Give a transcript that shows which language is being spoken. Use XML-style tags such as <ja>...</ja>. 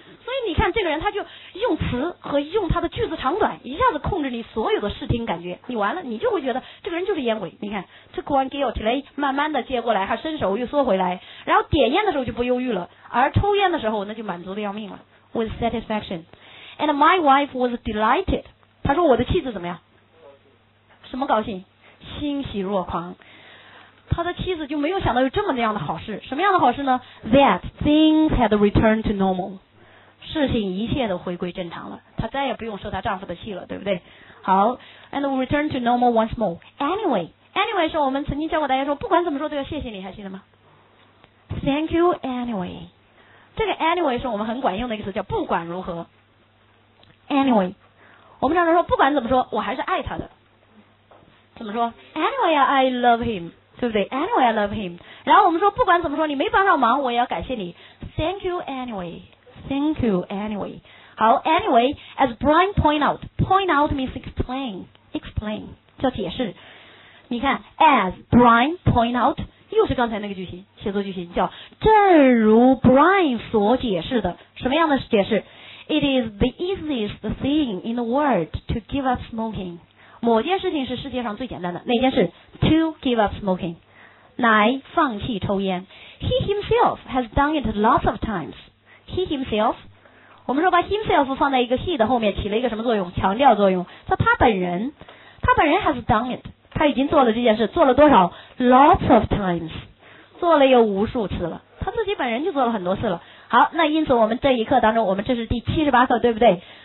<zh>所以你看这个人他就用词和用他的句子长短一下子控制你所有的视听感觉，你完了你就会觉得这个人就是烟鬼。你看这关 guiltily 慢慢的接过来，还伸手又缩回来，然后点烟的时候就不犹豫了，而抽烟的时候那就满足的要命了，</zh> <en>with satisfaction。 And my wife was delighted，</en> <zh>他说我的妻子怎么样？什么高兴？欣喜若狂。他的妻子就没有想到有这么那样的好事，什么样的好事呢？</zh> <en>that things had returned to normal，</en> <zh>事情一切都回归正常了，她再也不用受她丈夫的气了，对不对？好</zh> <en>，and we return to normal once more.</en> <zh>Anyway, 是我们曾经教过大家说，不管怎么说都要谢谢你，还记得吗 ？</zh> <en>Thank you anyway.</en> <zh>这个 anyway 是我们很管用的一个词，叫不管如何。</zh> <en>Anyway，</en> <zh>我们常常说不管怎么说，我还是爱他的。</zh> <en>怎么说 ？Anyway, I love him， 对不对 ？Anyway, I love him。</en> <zh>然后我们说不管怎么说，你没帮上忙，我也要感谢你。</zh> <en>Thank you anyway. Thank you anyway. 好 ，Anyway, as Brian point out means explain</en> <zh>叫解释。你看 ，as Brian point out 又是刚才那个句型，写作句型叫正如 Brian 所解释的，什么样的解释 ？</zh> <en>It is the easiest thing in the world to give up smoking。</en> <zh>某件事情是世界上最简单的，哪件事 ？</zh> <en>To give up smoking，</en> <zh>来放弃抽烟。</zh> <en>He himself has done it lots of times. He himself，</en> <zh>我们说把 himself 放在一个 he 的后面，起了一个什么作用？强调作用。说他本人</zh> <en>has done it。</en> <zh>他已经做了这件事，做了多少 ？</zh> <en>Lots of times，</en> <zh>做了有无数次了。他自己本人就做了很多次了。好，那因此我们这一课当中，我们这是第78课，对不对？</zh>